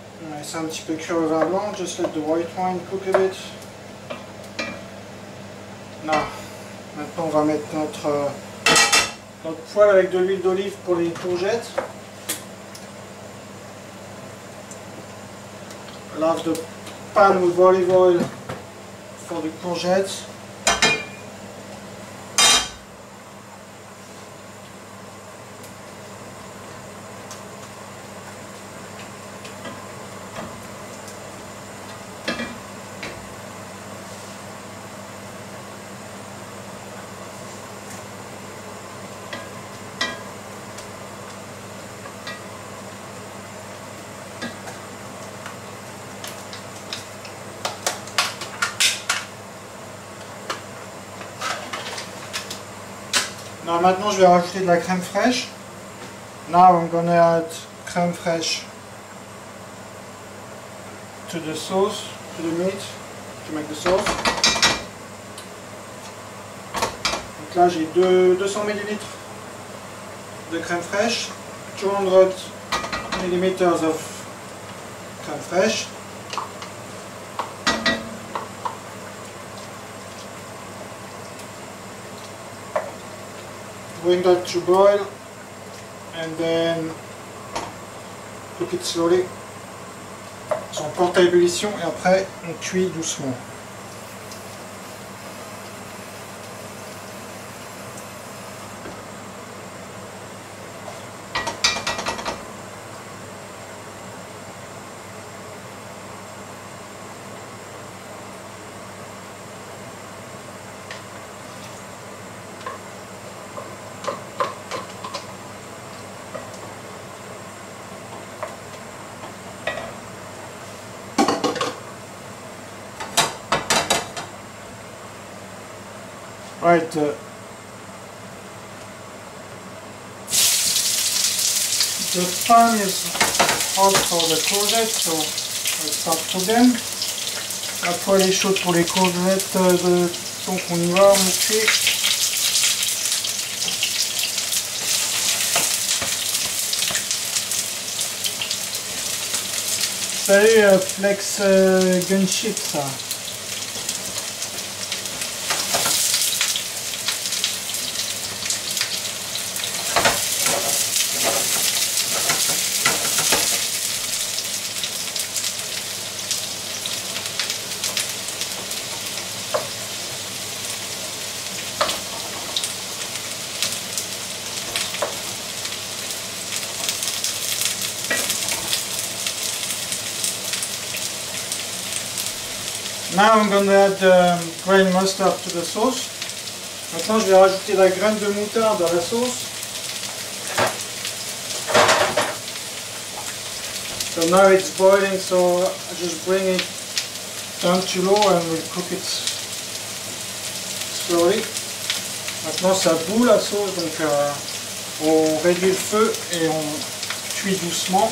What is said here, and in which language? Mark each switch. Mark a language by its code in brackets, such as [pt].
[fr] Laisse un petit peu cuire le vin blanc, [en] just let the white wine cook a bit. [fr] Là, maintenant on va mettre notre poêle avec de l'huile d'olive pour les courgettes. [en] Lave the pan with olive oil for the courgettes. [fr] Now, maintenant je vais rajouter de la crème fraîche. [en] Now I'm gonna add crème fraîche to the sauce, to the meat, to make the sauce. [fr] Donc là j'ai 200 ml de crème fraîche, 200 ml of crème fraîche. [en] Bring that to boil and then cook it slowly. [fr] So on porte à ébullition et après on cuit doucement. [en] Right, the pan is hot for the courgettes, so let's start to them. [fr] La poêle est chaude pour les courgettes, donc on y va, on cuit. Salut Flex Gunship, ça. [en] Now I'm going to add grain mustard to the sauce. [fr] Maintenant je vais rajouter la graine de moutarde à la sauce. [en] So now it's boiling, so I just bring it down to low and we'll cook it slowly. [fr] Maintenant ça bout la sauce, donc on réduit le feu et on cuit doucement.